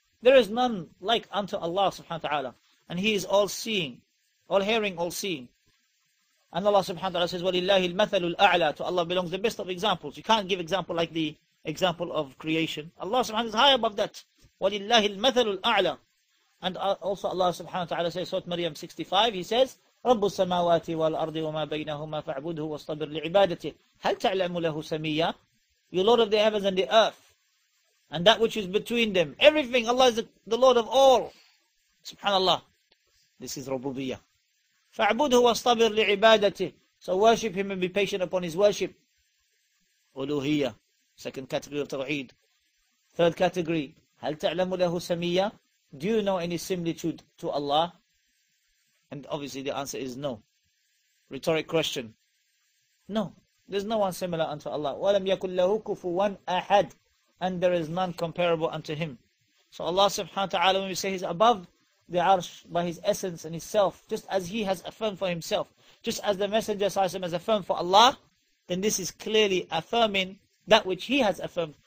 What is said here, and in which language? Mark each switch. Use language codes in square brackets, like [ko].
[en] There is none like unto Allah subhanahu wa ta'ala. And he is all-seeing, all-hearing, all-seeing. And Allah subhanahu wa ta'ala says, [ar] وَلِلَّهِ الْمَثَلُ الْأَعْلَى. [en] To Allah belongs the best of examples. You can't give example like the example of creation. Allah subhanahu wa ta'ala is high above that. [ar] وَلِلَّهِ الْمَثَلُ الْأَعْلَى. [en] And also Allah subhanahu wa ta'ala says, Surah Maryam 65, he says, [ar] رَبُّ السَّمَاوَاتِ وَالْأَرْضِ وَمَا بَيْنَهُمَا فَاعْبُدْهُ وَاصْطَبِرْ لِعِبَادَتِهِ هَلْ تَعْلَمُ لَهُ سَمِيًّا. [en] You Lord of the heavens and the earth, and that which is between them, everything, Allah is the Lord of all. Subhanallah. This is Rububiyyah. [ar] فَاعْبُدْهُ وَاصْطَبِرْ لِعِبَادَتِهِ. [en] So worship him and be patient upon his worship. Uluhiyyah, second category of Tawheed. Third category, [ar] هَلْ تَعْلَمُ لَهُ سَمِيًّا. [en] Do you know any similitude to Allah? And obviously the answer is no. Rhetoric question. No, there's no one similar unto Allah. [ar] وَلَمْ يَكُنْ لَهُ كُفُوًا أَحَدٌ. [en] And there is none comparable unto him. So Allah subhanahu wa ta'ala, when we say he's above the arsh by his essence and his self, just as he has affirmed for himself, just as the Messenger sallallahu alayhi wa sallam has affirmed for Allah, then this is clearly affirming that which he has affirmed.